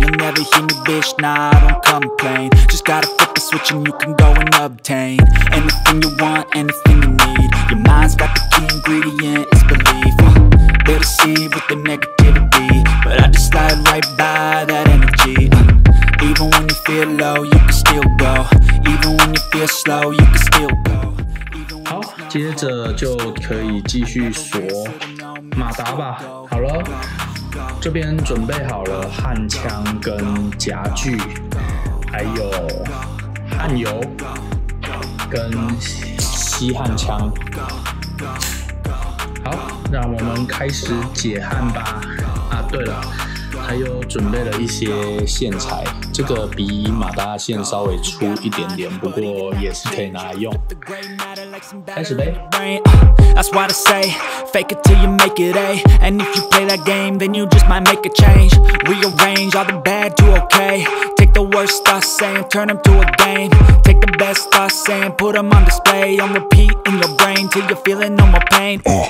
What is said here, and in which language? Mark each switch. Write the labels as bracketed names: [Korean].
[English] You'll never hear me, bitch, nah, I don't complain. Just gotta flip the switch and you can go and obtain anything you want, anything you need. Your mind's got the key ingredient, it's belief. They'll deceive with the negativity, but I just slide right by that energy. Even when you feel low, you can still go. Even when you feel slow, you can still go. [Chinese] 好，接着就可以继续锁马达吧。好了，这边准备好了焊枪跟夹具，还有焊油跟吸焊枪。好，那我们开始解焊吧。啊，对了，还有准备了一些线材，这个比马达线稍微粗一点点，不过也是可以拿来用。开始呗。 [English] That's why I say, fake it till you make it, eh? And if you play that game, then you just might make a change. Rearrange all the bad to okay. Take the worst thoughts and turn them to a game. Take the best thoughts and put them on display. On repeat in your brain till you're feeling no more pain.